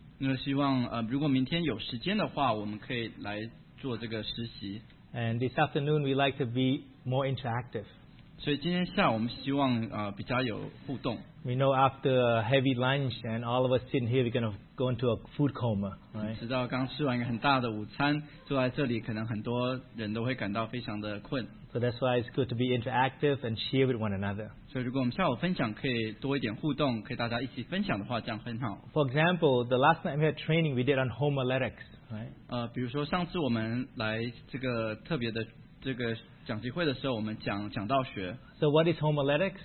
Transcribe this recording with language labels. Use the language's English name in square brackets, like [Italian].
[Chinese] 那希望, 如果明天有时间的话, 我们可以来做这个实习. [English] And this afternoon, we'd like to be more interactive. [Chinese] 所以今天下午我们希望, 比较有互动。 [English] We know after a heavy lunch and all of us sitting here, we're going to go into a food coma. Right? [Chinese] 直到刚吃完一个很大的午餐, 坐在这里, 可能很多人都会感到非常的困。 [English] So that's why it's good to be interactive and share with one another. [Chinese] 所以如果我们下午分享可以多一点互动, 可以大家一起分享的话, 这样很好。 [English] For example, the last night we had training, we did on homiletics. Right? [Chinese] 比如说上次我们来这个特别的这个讲机会的时候, 我们讲道学。 [English] So what is homiletics?